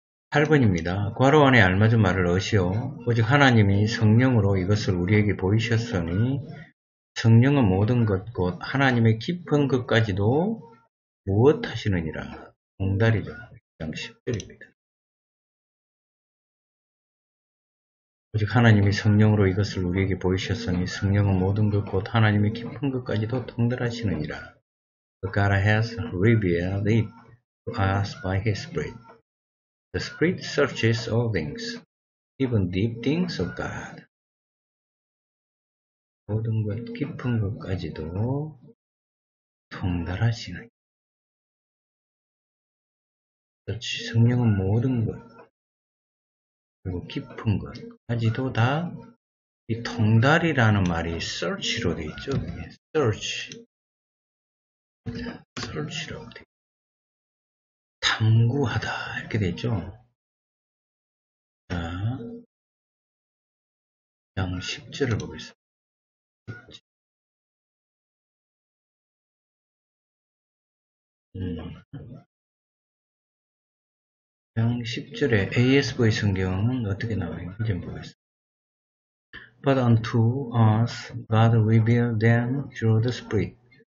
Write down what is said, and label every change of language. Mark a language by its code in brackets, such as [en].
[ko] 8번입니다. 과로 안에 알맞은 말을 넣으시오. 오직 하나님이 성령으로 이것을 우리에게 보이셨으니 성령은 모든 것 곧 하나님의 깊은 것까지도 무엇하시느니라. 봉다리죠. 1장 10절입니다. 오직 하나님이 성령으로 이것을 우리에게 보이셨으니 성령은 모든 것 곧 하나님의 깊은 것까지도 통달하시느니라. [en] God has revealed it to us by His Spirit. The Spirit searches all things, even deep things of God. [ko] 모든 것 깊은 것까지도 통달하시는. 그렇지, 성령은 모든 것, 그리고 깊은 것까지도 다 이 통달이라는 말이 search로 되어 있죠. search. search라고 되어 있죠. 탐구하다. 이렇게 되어 있죠. 10절을 보겠습니다. 그냥 10절에 ASV 성경은 어떻게 나와 있는지 좀 보겠습니다. [en] But unto us God revealed them through the Spirit.